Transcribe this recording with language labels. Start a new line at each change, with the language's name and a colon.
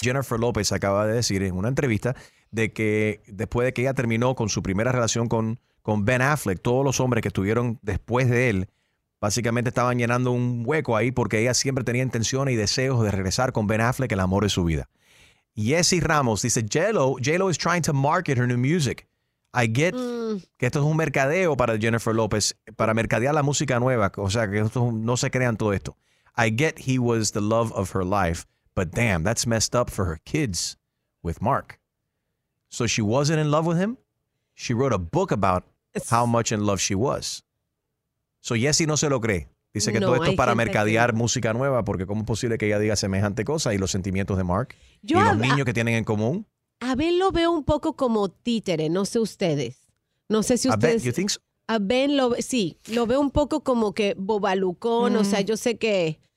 Spanish: Jennifer López acaba de decir en una entrevista de que después de que ella terminó con su primera relación con Ben Affleck, todos los hombres que estuvieron después de él básicamente estaban llenando un hueco ahí porque ella siempre tenía intenciones y deseos de regresar con Ben Affleck, el amor de su vida. Jessie Ramos dice,
English: J-Lo is trying to market her new music. I get
Spanish: que esto es un mercadeo para Jennifer López, para mercadear la música nueva. O sea, que esto, no se crean todo esto.
English: I get he was the love of her life, but damn, that's messed up for her kids with Mark. So she wasn't in love with him? She wrote a book about how much in love she was.
Spanish: So Jessie no se lo cree. Dice que no, todo esto es para mercadear que... música nueva, porque ¿cómo es posible que ella diga semejante cosa y los sentimientos de Mark? Yo, y los niños que tienen en común. A Ben lo veo un poco como títere, no sé ustedes. No sé si ustedes... A Ben lo veo un poco como que bobalucón, o sea, yo sé que...